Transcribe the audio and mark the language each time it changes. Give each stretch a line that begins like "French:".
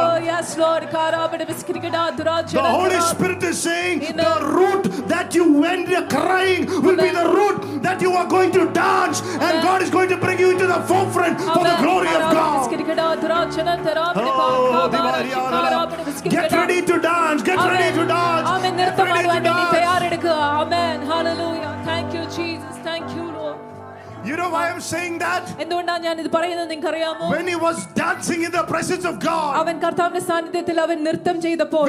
English: Yes Lord
Malayalam: കാരാബട വിസ്കരിക്കടാ ദുരാചാരം.
English: The Holy Spirit is saying the root that you went crying will be the root that you are going to dance and God is going to bring you into the forefront for the glory of God. Get ready to dance. Get ready to dance. Amen. Get ready to dance. Amen. Hallelujah. Thank you Jesus. Thank you Lord. You know why I'm saying that?
Malayalam: എന്തുകൊണ്ടാ ഞാൻ ഇത് പറയുന്നത് നിങ്ങൾക്കറിയാമോ?
English: When he was dancing in the presence of God.
Malayalam: അവൻ കർത്താവിന്റെ സാന്നിധ്യത്തിൽ അവൻ നൃത്തം ചെയ്തപ്പോൾ.